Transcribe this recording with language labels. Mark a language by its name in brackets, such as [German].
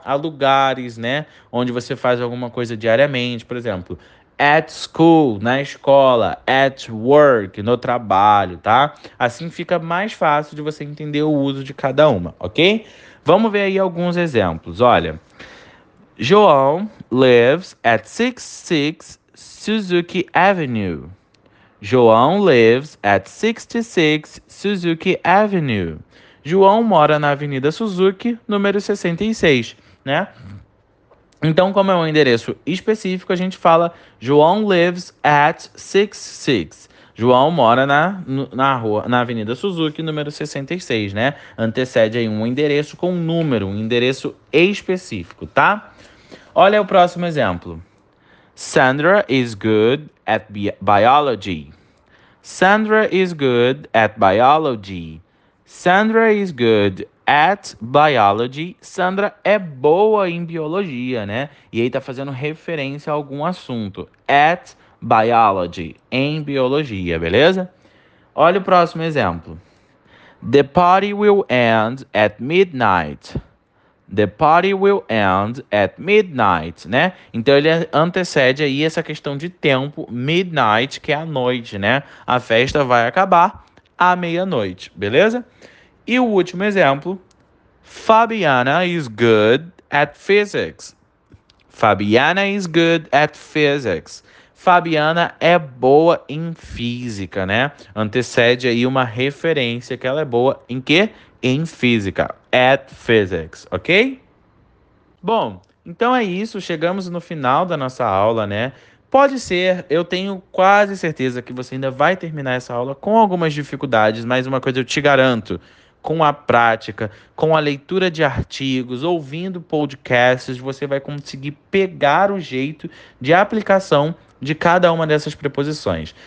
[Portuguese] A lugares, né? Onde você faz alguma coisa diariamente, por exemplo, at school, na escola, at work, no trabalho, tá? Assim fica mais fácil de você entender o uso de cada uma, ok? Vamos ver aí alguns exemplos, olha. [English] João lives at 66 Suzuki Avenue. João lives at 66 Suzuki Avenue. [Portuguese] João mora na Avenida Suzuki, número 66, né? Então, como é um endereço específico, a gente fala [English] João lives at 66. [Portuguese] João mora na Avenida Suzuki, número 66, né? Antecede aí um endereço com um endereço específico, tá? Olha o próximo exemplo. [English] Sandra is good at biology. Sandra is good at biology. Sandra is good at biology. [Portuguese] Sandra é boa em biologia, né? E aí tá fazendo referência a algum assunto. At biology, em biologia, beleza? Olha o próximo exemplo. [English] The party will end at midnight. The party will end at midnight, né? [Portuguese] Então ele antecede aí essa questão de tempo, midnight, que é a noite, né? A festa vai acabar à meia-noite, beleza? E o último exemplo, [English] Fabiana is good at physics. Fabiana is good at physics. [Portuguese] Fabiana é boa em física, né? Antecede aí uma referência que ela é boa em quê? Em física, at physics, ok? Bom, então é isso, chegamos no final da nossa aula, né? Pode ser, eu tenho quase certeza que você ainda vai terminar essa aula com algumas dificuldades, mas uma coisa eu te garanto, com a prática, com a leitura de artigos, ouvindo podcasts, você vai conseguir pegar o jeito de aplicação de cada uma dessas preposições.